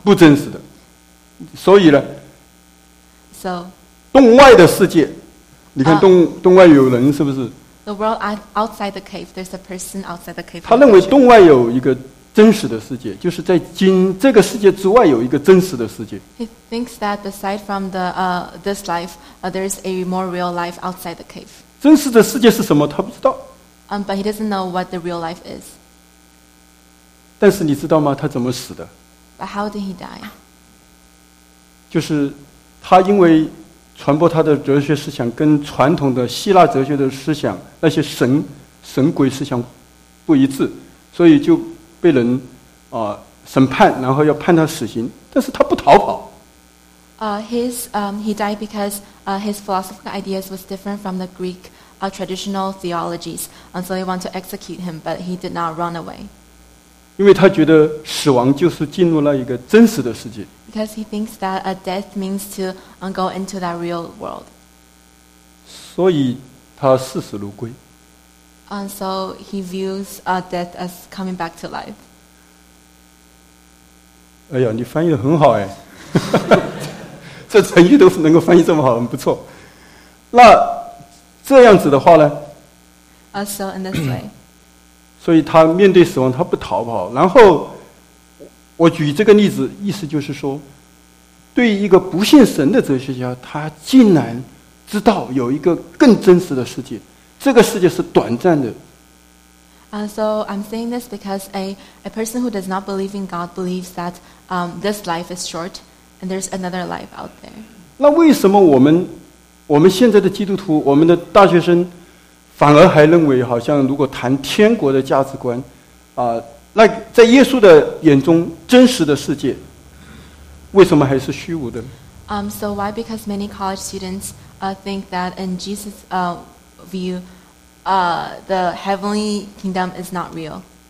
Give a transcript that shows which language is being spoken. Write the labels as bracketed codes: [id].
[zh] 不真实的。所以呢 [en] ？So. [zh] 洞外的世界，你看洞外有人是不是 [en] ？The world outside the cave, there's a person outside the cave. [zh] 他认为洞外有一个真实的世界，就是在今这个世界之外有一个真实的世界。 [en] He thinks that aside from the this life, there's a more real life outside the cave. [zh] 真实的世界是什么？他不知道。 [en] But he doesn't know what the real life is. [zh] 但是你知道吗？他怎么死的 [en] ？But how did he die? [zh] 就是他因为。传播他的哲学思想跟传统的希腊哲学的思想那些神鬼思想不一致，所以就被人审判，然后要判他死刑，但是他不逃跑。 [en] He died because his philosophical ideas was different from the Greek traditional theologies, and so they want to execute him, but he did not run away. [zh] 因为他觉得死亡就是进入了一个真实的世界。 [en] Because he thinks that a death means to go into that real world. [zh] 所以他视死如归。 [en] And so he views death as coming back to life. [zh] 哎呀，你翻译得很好哎！这成语都能够翻译这么好，很不错。那这样子的话呢 [en] ？So in this way. [zh] 所以他面对死亡，他不逃跑，然后。我举这个例子，意思就是说，对于一个不信神的哲学家，他竟然知道有一个更真实的世界，这个世界是短暂的。 [en] So I'm saying this because a person who does not believe in God believes that this life is short and there's another life out there. [zh] 那为什么我们现在的基督徒，我们的大学生，反而还认为好像如果谈天国的价值观，那在耶稣的眼中，真实的世界为什么还是虚无的 [en] ？So why? Because many college students think that in Jesus' view, the heavenly kingdom is not real.